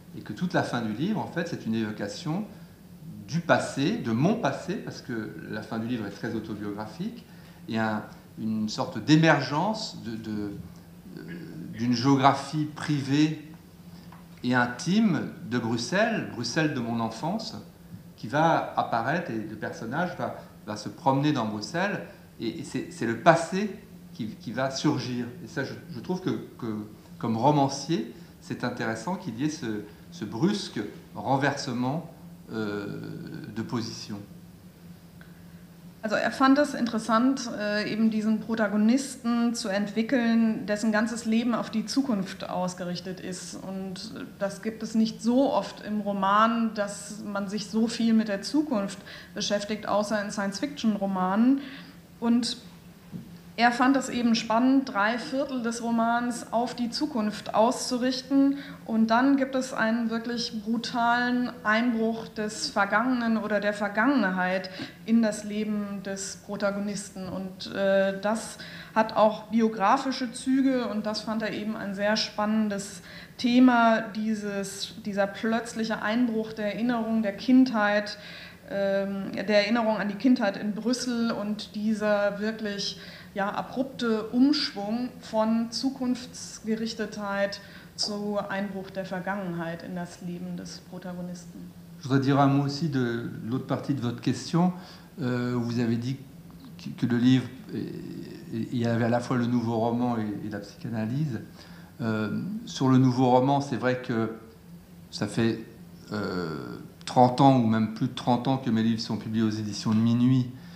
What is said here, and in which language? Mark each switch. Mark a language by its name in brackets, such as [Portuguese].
[French] Et que toute la fin du livre, en fait, c'est une évocation du passé, de mon passé, parce que la fin du livre est très autobiographique, et une sorte d'émergence d'une géographie privée et intime de Bruxelles, Bruxelles de mon enfance, qui va apparaître, et le personnage va se promener dans Bruxelles, et c'est le passé qui va surgir. Et ça, je trouve que comme romancier, c'est intéressant qu'il y ait ce brusque renversement de position. [German] Also er fand es interessant, eben diesen Protagonisten zu entwickeln, dessen ganzes Leben auf die Zukunft ausgerichtet ist. Und das gibt es nicht so oft im Roman, dass man sich so viel mit der Zukunft beschäftigt, außer in Science-Fiction-Romanen. Und er fand es eben spannend, drei Viertel des Romans auf die Zukunft auszurichten. Und dann gibt es einen wirklich brutalen Einbruch des Vergangenen oder der Vergangenheit in das Leben des Protagonisten. Und das hat auch biografische Züge und das fand er eben ein sehr spannendes Thema, dieser plötzliche Einbruch der Erinnerung der Kindheit, der Erinnerung an die Kindheit in Brüssel und dieser wirklich abrupte Umschwung von Zukunftsgerichtetheit zu Einbruch der Vergangenheit in das Leben des Protagonisten. [French] Je voudrais dire un mot aussi de l'autre partie de votre question. Vous avez dit que le livre, il y avait à la fois le nouveau roman et la psychanalyse. Sur le nouveau roman, c'est vrai que ça fait 30 ans ou même plus de 30 ans que mes livres sont publiés aux éditions de Minuit.